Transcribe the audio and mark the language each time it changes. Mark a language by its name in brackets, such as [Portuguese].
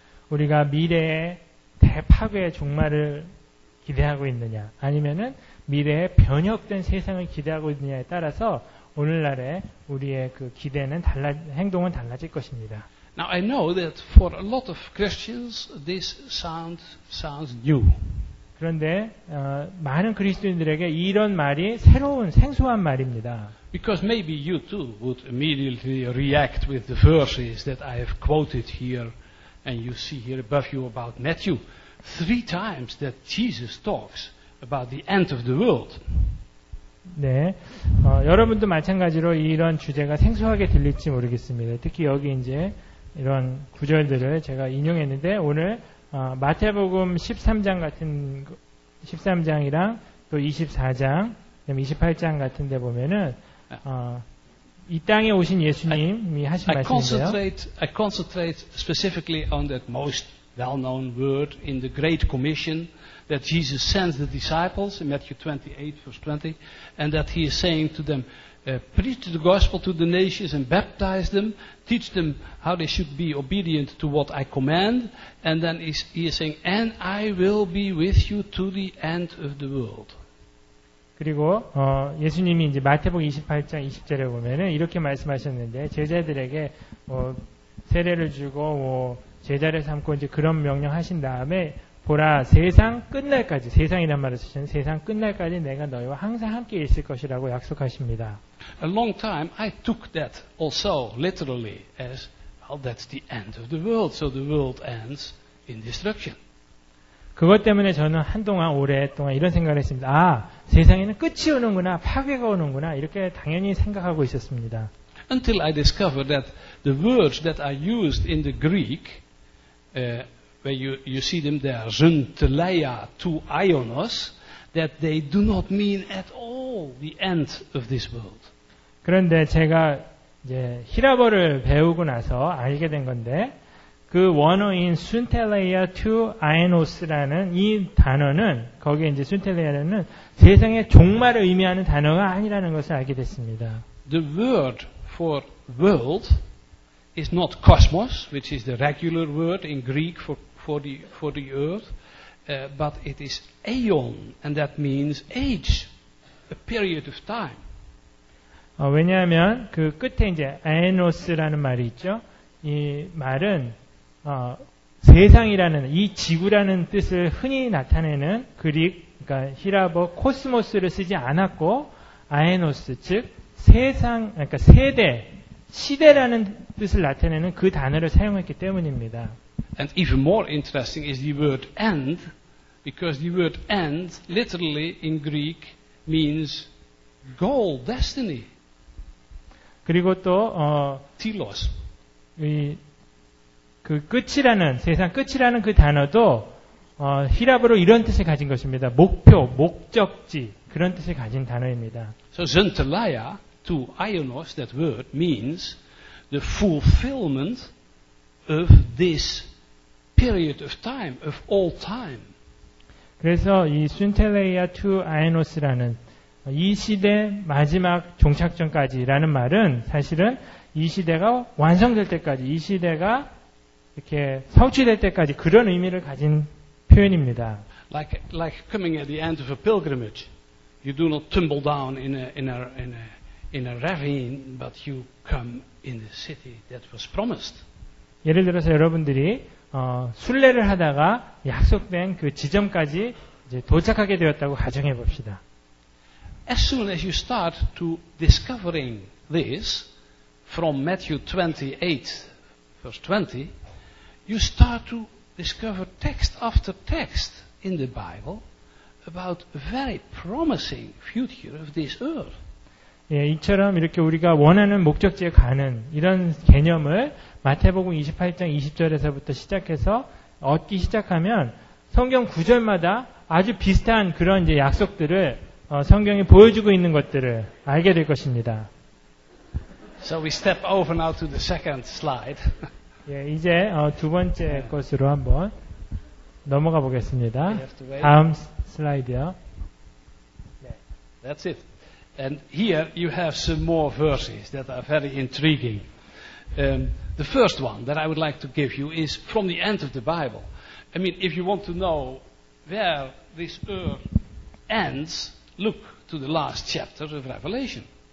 [Korean] 우리가 미래의 대파괴 종말을 기대하고 있느냐, 아니면은 미래의 변혁된 세상을 기대하고 있느냐에 따라서 오늘날의 우리의 그 기대는 달라, 행동은 달라질 것입니다. [English] Now I know that for a lot of Christians this sounds new. [Korean] 그런데 많은 그리스도인들에게 이런 말이 새로운 생소한 말입니다. [English] Because maybe you too would immediately react with the verses that I have quoted here and you see here above you about Matthew. Three times that Jesus talks about the end of the world. [Korean] 네, 여러분도 마찬가지로 이런 주제가 생소하게 들릴지 모르겠습니다. 특히 여기 이제 이런 구절들을 제가 인용했는데 오늘 마태복음 13장 같은 13장이랑 또 24장, 28장 같은 데 보면은 이 땅에 오신 예수님이 하신 말씀인데요. [English] I concentrate specifically on that most well-known word in the Great Commission that Jesus sends the disciples in Matthew 28 verse 20 and that he is saying to them preach the gospel to the nations and baptize them, teach them how they should be obedient to what I command, and then he is saying, and I will be with you to the end of the world. [Korean] 그리고 예수님이 이제 마태복음 28장 20절에 보면은 이렇게 말씀하셨는데 제자들에게 세례를 주고 제자를 삼고 이제 그런 명령 하신 다음에 보라 세상 끝날까지 세상이란 말을 쓰시는 세상 끝날까지 내가 너희와 항상 함께 있을 것이라고 약속하십니다. [English] A long time I took that also literally as well, that's the end of the world, so the world ends in destruction. [Korean] 그것 때문에 저는 한동안 오랫동안 이런 생각을 했습니다. 아, 세상에는 끝이 오는구나, 파괴가 오는구나 이렇게 당연히 생각하고 있었습니다. [English] Until I discovered that the words that I used in the Greek, where you see them there, zun teleia to ionos, that they do not mean at all the end of this world. [Korean] 그런데 제가 이제 히라버를 배우고 나서 알게 된 건데. 그 원어인 순텔레이아 투 아이노스라는 이 단어는 거기에 이제 순텔레이아는 세상의 종말을 의미하는 단어가 아니라는 것을 알게 됐습니다. [English] The word for world is not cosmos, which is the regular word in Greek for the earth, but it is aeon, and that means age, a period of time. [Korean] 왜냐하면 그 끝에 이제 아이노스라는 말이 있죠. 이 말은 세상이라는 이 지구라는 뜻을 흔히 나타내는 그릭 그러니까 히라버 코스모스를 쓰지 않았고 아에노스 즉 세상 그러니까 세대 시대라는 뜻을 나타내는 그 단어를 사용했기 때문입니다. [English] And even more interesting is the word end because the word end literally in Greek means goal, destiny. [Korean] 그리고 또 [Greek] telos [Korean] 그 끝이라는 세상 끝이라는 그 단어도 히라브로 이런 뜻을 가진 것입니다. 목표, 목적지 그런 뜻을 가진 단어입니다. [English] So zentelia to ionos that word means the fulfillment of this period of time of all time. [Korean] 그래서 이 순텔레이아 to ionos라는 이 시대 마지막 종착점까지라는 말은 사실은 이 시대가 완성될 때까지 이 시대가 이렇게 성취될 때까지 그런 의미를 가진 표현입니다. [English] Like coming at the end of a pilgrimage, you do not tumble down in a ravine, but you come in the city that was promised. [Korean] 예를 들어서 여러분들이 순례를 하다가 약속된 그 지점까지 이제 도착하게 되었다고 가정해 봅시다. [English] As soon as you start to discovering this from Matthew 28, verse 20. You start to discover text after text in the Bible about a very promising future of this earth. [Korean] 예, 이처럼 이렇게 우리가 원하는 목적지에 가는 이런 개념을 마태복음 28장 20절에서부터 시작해서 얻기 시작하면 성경 구절마다 아주 비슷한 그런 이제 약속들을 성경이 보여주고 있는 것들을 알게 될 것입니다. [English] So we step over now to the second slide. [Korean] 예, 이제 두 번째 것으로 한번 넘어가 보겠습니다. 다음 슬라이드요. [English] That's it. And here you have some more verses that are very intriguing. The first one that I would like to give you is from the end of the Bible. I mean, if you want to know where this earth ends, look to the last chapter of Revelation.